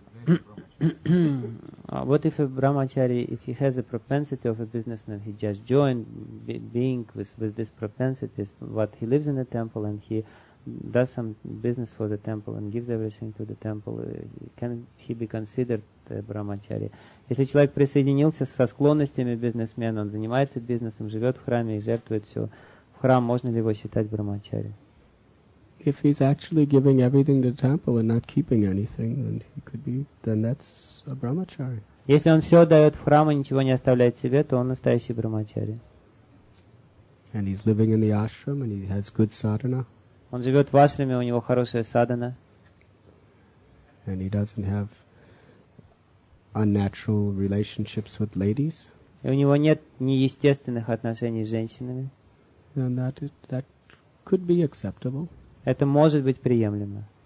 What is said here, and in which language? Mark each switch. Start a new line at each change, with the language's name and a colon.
English: What if a brahmachari, if he has a propensity of a businessman, he just joined being with this propensity, but he lives in the temple and he does some business for the temple and gives everything to the temple, can he be considered a brahmachari?
Russian: Если человек присоединился со склонностями бизнесмена, он занимается бизнесом, живет в храме и жертвует все в храм, можно ли его считать брахмачари?
English: If he's actually giving everything to the temple and not keeping anything, then he could be. Then that's a brahmachari.
Russian: Если он все дает в храм и ничего не оставляет себе, то он настоящий брахмачари.
English: And he's living in the ashram and he has good sadhana.
Russian: Он живет в ашраме, у него хорошая садхана.
English: And he doesn't have unnatural relationships with ladies.
Russian: И у него нет неестественных отношений с женщинами.
English: Then that could be acceptable.
Russian: Это может быть приемлемо.